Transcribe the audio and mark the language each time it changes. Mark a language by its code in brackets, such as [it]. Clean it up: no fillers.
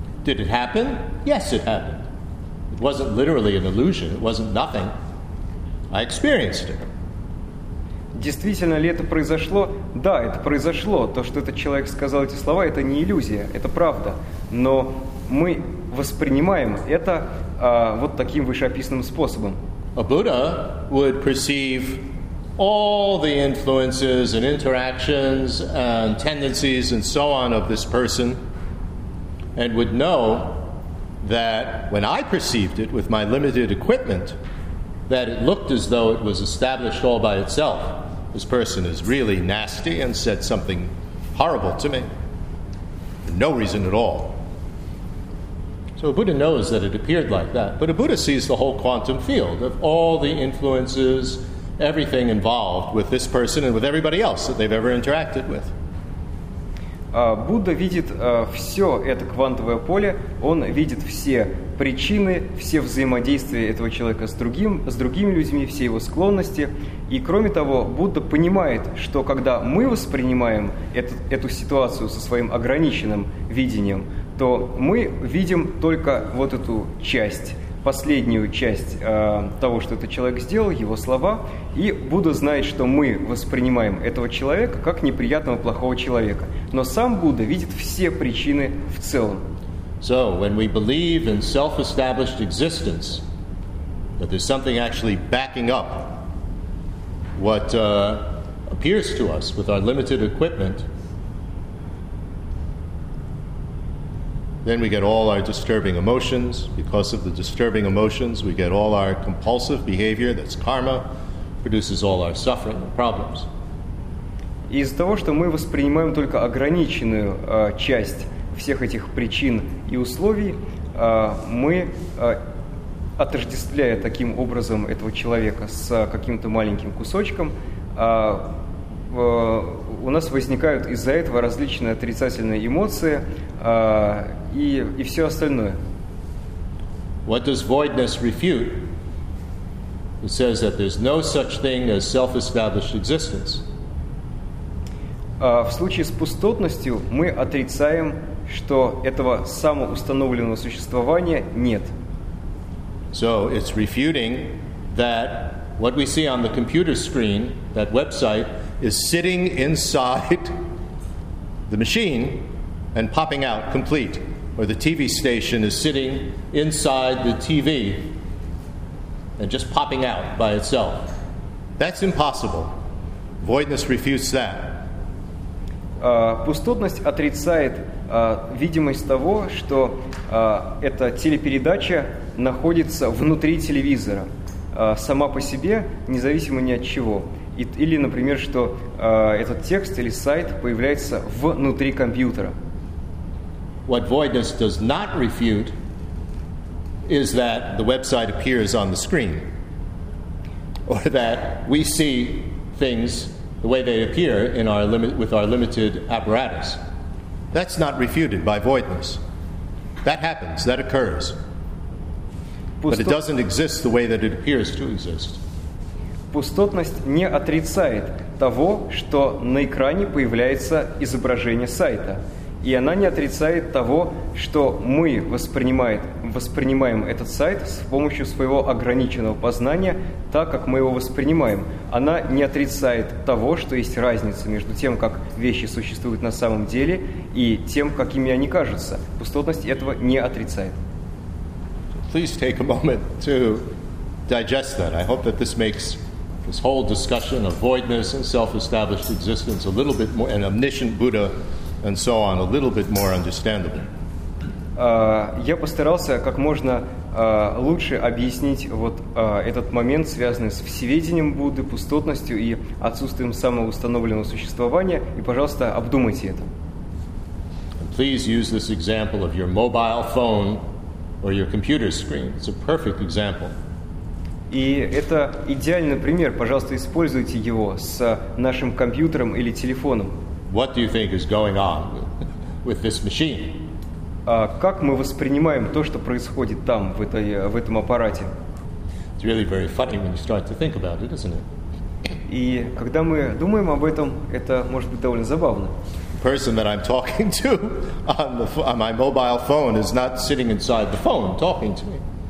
[en] Did it happen? Yes, it happened. It wasn't literally an illusion. It wasn't nothing. I experienced it. [ru] Действительно ли это произошло? Да, это произошло. То, что этот человек сказал эти слова, это не иллюзия. Это правда. Но мы воспринимаем это вот таким вышеописанным способом. [en] A Buddha would perceive all the influences and interactions and tendencies and so on of this person and would know that when I perceived it with my limited equipment, that it looked as though it was established all by itself. This person is really nasty and said something horrible to me. No reason at all. So a Buddha knows that it appeared like that. But a Buddha sees the whole quantum field of all the influences, everything involved with this person and with everybody else that they've ever interacted with. [ru] Будда видит все это квантовое поле. Он видит все причины, все взаимодействия этого человека с другими людьми, все его склонности. И кроме того, Будда понимает, что когда мы воспринимаем эту ситуацию со своим ограниченным видением, то мы видим только вот эту часть, последнюю часть того, что этот человек сделал, его слова, и Будда знает, что мы воспринимаем этого человека как неприятного, плохого человека. Но сам Будда видит все причины в целом. [en] So, when we believe in self-established existence, that there's something actually backing up what appears to us with our limited equipment, then we get all our disturbing emotions. Because of the disturbing emotions, we get all our compulsive behavior, that's karma, produces all our suffering and problems. [ru] Из-за того, что мы воспринимаем только ограниченную часть всех этих причин и условий, мы отождествляя таким образом этого человека с каким-то маленьким кусочком, у нас возникают из-за этого различные отрицательные эмоции и все остальное. [en] What does voidness refute? It says that there's no such thing as self-established existence. [ru] В случае с пустотностью мы отрицаем, что этого самоустановленного существования нет. [en] So it's refuting that what we see on the computer screen, that website, is sitting inside the machine and popping out complete, or the TV station is sitting inside the TV and just popping out by itself. That's impossible. Voidness refutes that. [ru] Пустотность отрицает видимость того, что эта телепередача находится внутри телевизора, сама по себе, независимо ни от чего. Или, например, что этот текст или сайт появляется внутри компьютера. [en] What voidness does not refute is that the website appears on the screen, or that we see things the way they appear in our with our limited apparatus. That's not refuted by voidness. That happens, that occurs. But it doesn't exist the way that it appears to exist. [ru] Пустотность не отрицает того, что на экране появляется изображение сайта. И она не отрицает того, что мы воспринимаем этот сайт с помощью своего ограниченного познания, так как мы его воспринимаем. Она не отрицает того, что есть разница между тем, как вещи существуют на самом деле, и тем, какими они кажутся. Пустотность этого не отрицает. [en] Please take a moment to digest that. I hope that this makes this whole discussion of voidness and self-established existence a little bit more, and omniscient Buddha and so on, a little bit more understandable. [ru] Я постарался как можно лучше объяснить вот этот момент, связанный с всеведением Будды, пустотностью и отсутствием самоустановленного существования. И, пожалуйста, обдумайте это. [en] Please use this example of your mobile phone or your computer screen. It's a perfect example. [ru] И это идеальный пример. Пожалуйста, используйте его с нашим компьютером или телефоном. [en] What do you think is going on with this machine? [ru] Как мы воспринимаем то, что происходит там, в этом аппарате? [en] It's really very funny when you start to think about it, isn't it? [ru] И когда мы думаем об этом, это может быть довольно забавно. [en] The person that I'm talking to on my mobile phone is not sitting inside the phone talking to me.